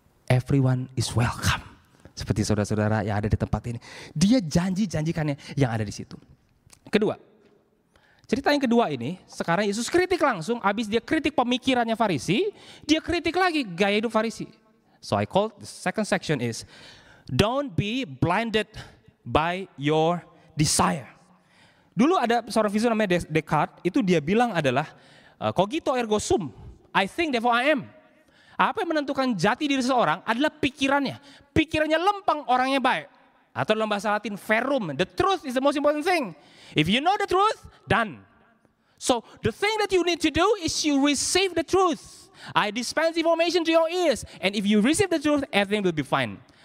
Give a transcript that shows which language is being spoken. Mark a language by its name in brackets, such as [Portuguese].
[English] Everyone is welcome. [Indonesian] Seperti saudara-saudara yang ada di tempat ini. Dia janji-janjikannya yang ada di situ. Kedua, cerita yang kedua ini, sekarang Yesus kritik langsung, habis dia kritik pemikirannya Farisi, dia kritik lagi gaya hidup Farisi. [English] So I call the second section is, don't be blinded by your desire. [Indonesian] Dulu ada seorang filsuf namanya Descartes, itu dia bilang adalah, [Latin] cogito ergo sum, [English] I think therefore I am. [Indonesian] Apa yang menentukan jati diri seseorang adalah pikirannya. Pikirannya lempeng, orangnya baik. Atau dalam bahasa Latin, ferrum. [English] The truth is the most important thing. If you know the truth, done. So the thing that you need to do is you receive the truth. I dispense information to your ears. And if you receive the truth, everything will be fine.